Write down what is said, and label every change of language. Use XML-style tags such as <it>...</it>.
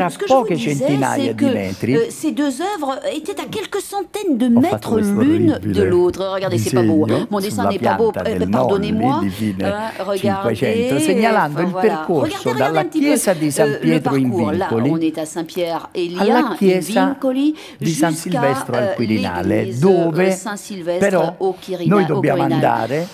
<fr>Donc ce que je vous disais, c'est que ces deux œuvres étaient à quelques centaines de mètres l'une de l'autre. Regardez, c'est pas beau. Mon dessin n'est pas beau, pardonnez-moi.</fr> <it>Segnalando il percorso dalla chiesa di San Pietro in Vincoli,</it> <fr>on est à Saint-Pierre et Lien,</fr> <it>alla chiesa di San Silvestro al Quirinale, dove però noi dobbiamo andare,</it>